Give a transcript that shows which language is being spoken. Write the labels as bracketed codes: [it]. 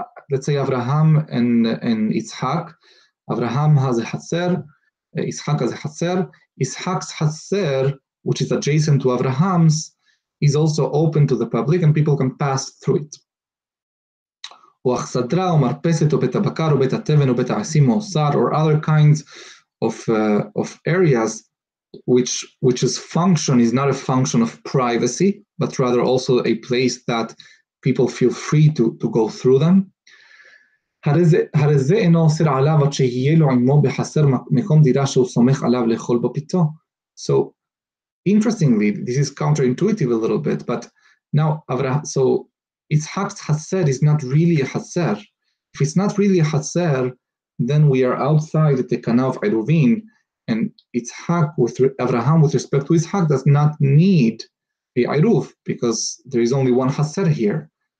[en] Let's say Abraham and Yitzhak, Abraham has a Hatser, Yitzhak has a Hatser, Yitzhak's Hatser, which is adjacent to Abraham's, is also open to the public and people can pass through it. [he] או אכסדרה או מרפסת או בית הבקר או בית התבן או בית העשים או סר, [en] or other kinds of areas which's function is not a function of privacy, but rather also a place that people feel free to go through them. [he] הרי זה אינו אוסר עליו עד שיהיה לו עמו בחסר מקום דירה שהוא סומך עליו לאכול בפיתו. [en] So interestingly, this is counterintuitive a little bit, but now so Yitzhak's Hatser is not really a Hatser. If it's not really a Hatser, then we are outside the Tekana of Eruvin, and Yitzhak with Abraham with respect to Yitzhak does not need the Eruv because there is only one Hatser here.